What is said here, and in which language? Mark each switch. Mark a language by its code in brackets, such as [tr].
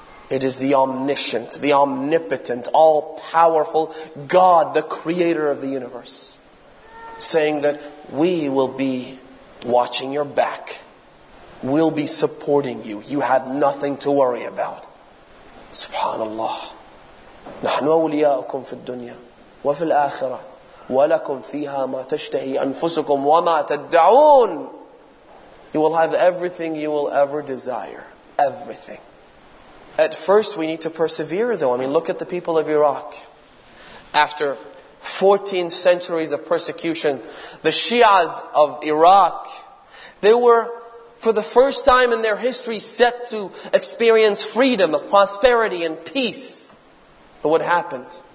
[en] It is the omniscient, the omnipotent, all-powerful God, the creator of the universe, saying that we will be watching your back. We'll be supporting you. You have nothing to worry about. Subhanallah. [ar] نَحْنُ أَوْلِيَاءُكُمْ فِي الدُّنْيَا وَفِي الْآخِرَةِ وَلَكُمْ فِيهَا مَا تَشْتَهِي أَنفُسُكُمْ وَمَا تَدَّعُونَ [en] You will have everything you will ever desire. Everything. At first, we need to persevere though. I mean, look at the people of Iraq. After 14 centuries of persecution, the Shias of Iraq, they were, for the first time in their history, set to experience freedom, of prosperity and peace. But what happened?